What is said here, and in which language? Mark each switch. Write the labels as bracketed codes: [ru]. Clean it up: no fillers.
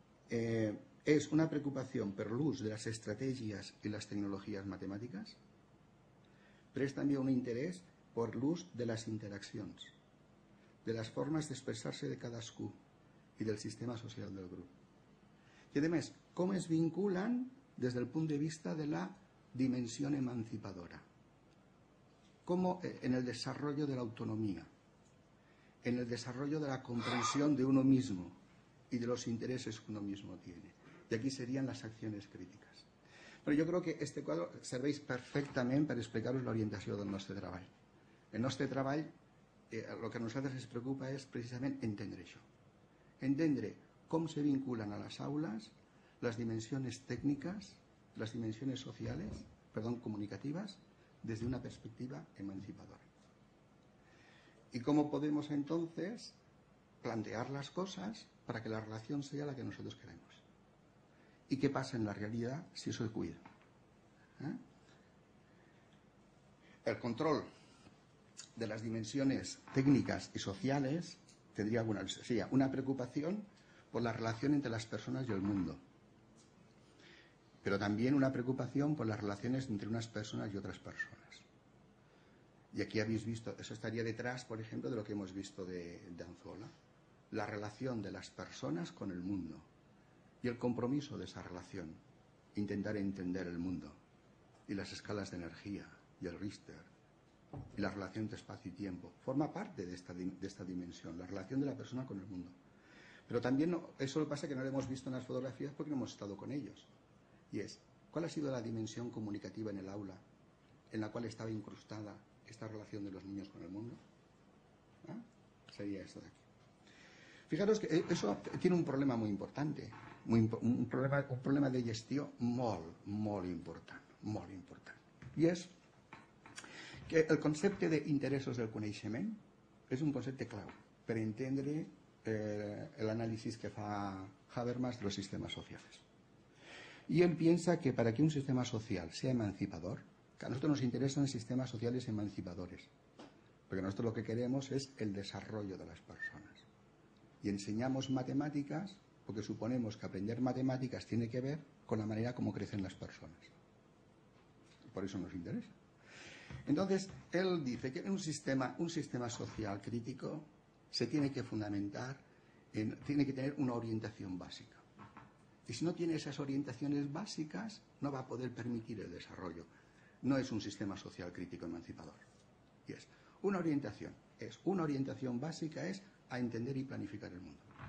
[es] ¿Es una preocupación per l'ús de las estrategias y las tecnologías matemáticas? Pero es también un interés por l'ús de las interacciones, [ca] de les formes d'expressar-se de cadascú i del sistema social del grup. I, a més, com es vinculen des del punt de vista de la dimensió emancipadora? Com en el desenvolupament de l'autonomia, en el desenvolupament de la comprensió d' [es] uno mismo [ca] i [es] de los intereses que uno mismo tiene. [ca] I aquí serien les accions crítiques. Però jo crec que aquest quadre serveix perfectament per explicar-vos l'orientació del nostre treball. El nostre treball, lo que a nosaltres ens preocupa és precisament entendre això. Entendre com se vinculen a les aules les dimensions tècniques, les dimensions socials, perdó, comunicatives, des d'una perspectiva emancipadora. I com podem, [es] entonces, plantear [ca] les coses perquè la relació sigui la que nosaltres volem. I què passa en la realitat si això es cuida? [es] El control de las dimensiones técnicas y sociales tendría alguna, sería una preocupación por la relación entre las personas y el mundo, pero también una preocupación por las relaciones entre unas personas y otras personas. Y aquí habéis visto, eso estaría detrás, por ejemplo, de lo que hemos visto de Anzuola, la relación de las personas con el mundo y el compromiso de esa relación, intentar entender el mundo y las escalas de energía y el Richter y la relación de espacio y tiempo forma parte de esta dimensión, la relación de la persona con el mundo. Pero también no, eso lo pasa que no lo hemos visto en las fotografías porque no hemos estado con ellos. Y es, ¿cuál ha sido la dimensión comunicativa en el aula en la cual estaba incrustada esta relación de los niños con el mundo? ¿Eh? Sería esto de aquí. Fijaros que eso tiene un problema muy importante, un problema de gestión [ca] molt important. Y es que el concepte d'interessos del coneixement és un concepte clau per entendre l'anàlisi que fa Habermas dels sistemes socials. I ell pensa que per a que un sistema social sigui emancipador, que a nosaltres ens interessen sistemes socials emancipadors, perquè nosaltres el que volem és el desenvolupament de les persones. I ensenyem matemàtiques perquè suposem que aprendre matemàtiques té a veure amb la manera com creixen les persones. Per això ens interessa. [es] Entonces, él dice que un sistema social crítico se tiene que fundamentar, tiene que tener una orientación básica. Y si no tiene esas orientaciones básicas, no va a poder permitir el desarrollo. No es un sistema social crítico emancipador. Y es una orientación básica es a entender y planificar el mundo.